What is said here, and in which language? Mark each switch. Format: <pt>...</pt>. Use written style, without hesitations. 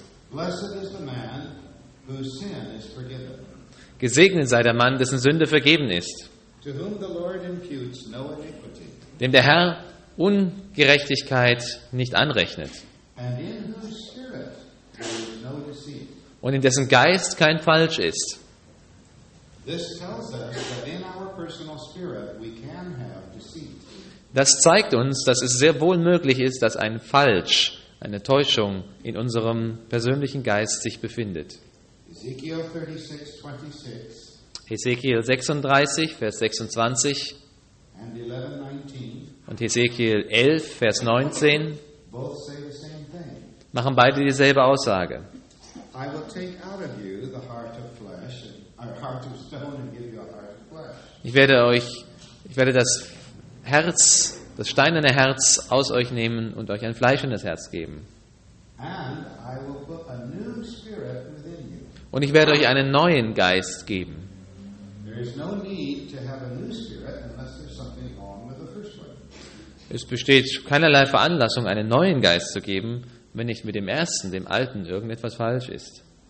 <en>Blessed is the man whose sin is forgiven.</en> <de>Gesegnet sei der Mann, dessen Sünde vergeben ist.</de> <en>To whom the Lord imputes no iniquity.</en> <de>Dem der Herr Ungerechtigkeit nicht anrechnet.</de> <en>And in whose spirit there is no deceit.</en> <de>Und in dessen Geist kein Falsch ist.</de> <en>This tells us that in our personal spirit we can have deceit.</en> <de>Das zeigt uns, dass es sehr wohl möglich ist, dass ein Falsch eine Täuschung in unserem persönlichen Geist sich befindet.</de> <en>Ezekiel 36,</en> <de>26. Ezekiel 36, Vers 26</de> <en>and 11, 19.</en> <de>Und Ezekiel 11, Vers 19</de> <en>both say the same thing.</en> <de>Machen beide dieselbe Aussage.</de> <en>I will take out of you the heart of flesh and our heart of stone and give you a heart of flesh.</en> <de>Ich werde das Herz, das steinerne Herz aus euch nehmen und euch ein fleischendes Herz geben.</de> <en>And I will put a new spirit within you.</en> <de>Und ich werde euch einen neuen Geist geben.</de> <en>There is no need to have a new spirit unless there's something wrong with the first one.</en> <de>Es besteht keinerlei Veranlassung, einen neuen Geist zu geben, wenn nicht mit dem ersten, dem alten, irgendetwas falsch ist.</de>